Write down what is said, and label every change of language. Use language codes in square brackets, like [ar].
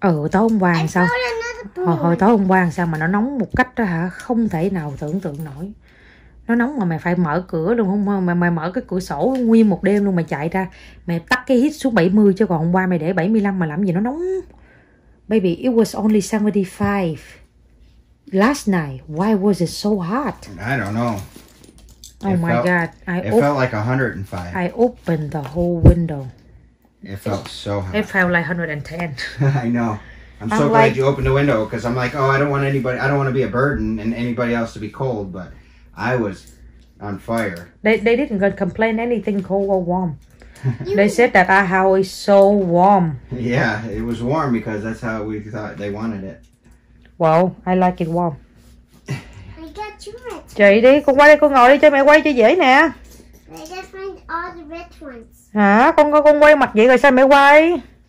[vi] Tối hôm qua sao? Hồi tối hôm qua sao mà nó nóng một cách đó hả? Không thể nào tưởng tượng nổi. Nó nóng mà mày phải mở cửa luôn không? Mày mở cái cửa sổ nguyên một đêm luôn mà chạy ra. Mày tắt cái heat xuống 70 chứ còn hôm qua mày để 75 mà làm gì nó nóng. [en] Baby, it was only 75 last night. Why was it so hot? I don't know. Oh my God. It felt like 105. I opened the whole window. It felt so hot. It felt like 110. I know. I'm so glad you opened the window because I'm like, oh, I don't want to be a burden and anybody else to be cold, but I was on fire. They didn't complain anything cold or warm. They said that our house is so warm. Yeah, it was warm because that's how we thought they wanted it. Well, I like it warm. I got you it. [vi] Chạy đi, con qua đây con ngồi đi cho mẹ quay cho dễ nè. [en] I just find all the red ones. Hả? [vi] Con quay mặt vậy rồi sao mẹ quay?